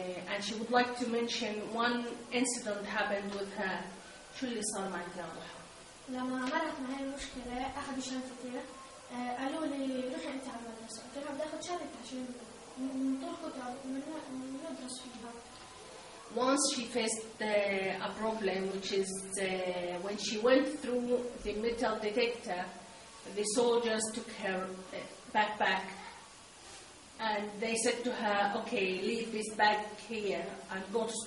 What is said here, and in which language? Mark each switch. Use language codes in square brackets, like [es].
[en] And she would like to mention one incident happened with her. Truly, Salman Yalaha. [ar] لما مرت معي المشكلة أخذوا شنطتي قالوا لي روحي أنت على المدرسة قلت لهم بدي أخذ شنطتي عشان نتركها وندرس فيها. [en] Once she faced a problem, which is when she went through the metal detector, the soldiers took her backpack and they said to her, okay, leave this bag here and go.